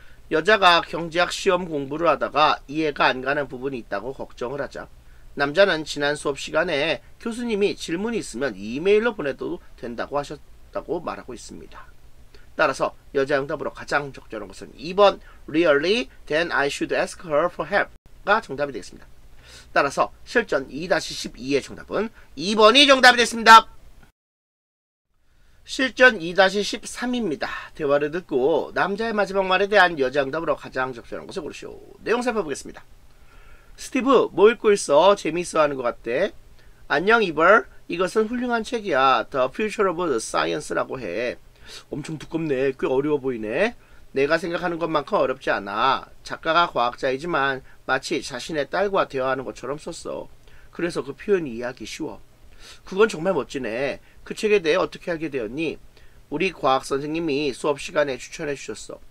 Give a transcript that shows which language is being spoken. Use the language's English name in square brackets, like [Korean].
[Korean] 여자가 경제학 시험 공부를 하다가 이해가 안 가는 부분이 있다고 걱정을 하자 남자는 지난 수업 시간에 교수님이 질문이 있으면 이메일로 보내도 된다고 하셨다고 말하고 있습니다. 따라서 여자 응답으로 가장 적절한 것은 2번 [English] Really? Then I should ask her for help [Korean] 가 정답이 되겠습니다. 따라서 실전 2-12의 정답은 2번이 정답이 되겠습니다. 실전 2-13입니다. 대화를 듣고 남자의 마지막 말에 대한 여자 응답으로 가장 적절한 것을 고르시오. 내용 살펴보겠습니다. 스티브, 뭐 읽고 있어? 재미있어 하는 것 같대. 안녕, 이벌. 이것은 훌륭한 책이야. [English] The Future of the Science [Korean] 라고 해. 엄청 두껍네. 꽤 어려워 보이네. 내가 생각하는 것만큼 어렵지 않아. 작가가 과학자이지만 마치 자신의 딸과 대화하는 것처럼 썼어. 그래서 그 표현이 이해하기 쉬워. 그건 정말 멋지네. 그 책에 대해 어떻게 알게 되었니? 우리 과학 선생님이 수업 시간에 추천해 주셨어.